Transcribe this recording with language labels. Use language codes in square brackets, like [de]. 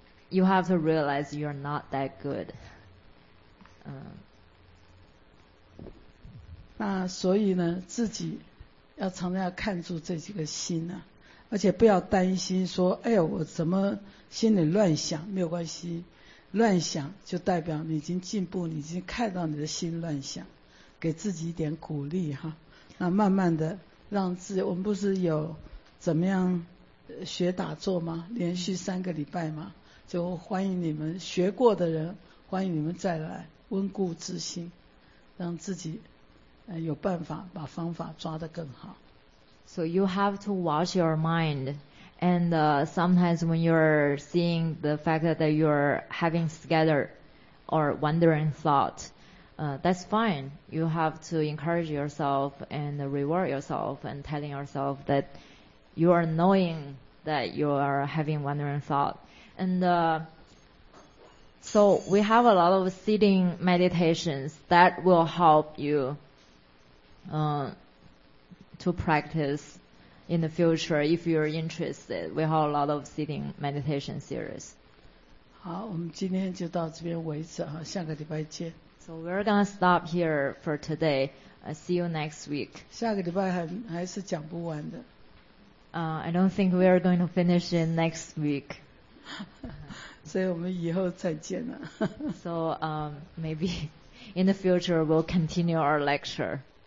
[en] You have to realize you are not that good. [zh] 那所以呢，自己要常常要看住这几个心啊，而且不要担心说，哎呦，我怎么心里乱想？没有关系，乱想就代表你已经进步，你已经看到你的心乱想，给自己一点鼓励哈。那慢慢的让自己，我们不是有怎么样学打坐吗？连续三个礼拜吗？就欢迎你们学过的人，欢迎你们再来温故知新，让自己。有办法把方法抓得更好。 [en] So you have to watch your mind, and sometimes when you're seeing the fact that you're having scattered or wandering thought, that's fine. You have to encourage yourself and reward yourself and telling yourself that you are knowing that you are having wandering thought. And so we have a lot of sitting meditations that will help you to practice in the future if you're interested. We have a lot of sitting meditation series. [zh] 好，我们今天就到这边为止哈，下个礼拜见。 [en] So we're gonna stop here for today. See you next week. [zh] 下个礼拜还是讲不完的。 [en] I don't think we are going to finish it next week. [zh] 所以我们以后再见了。 [en] So maybe in the future we'll continue our lecture.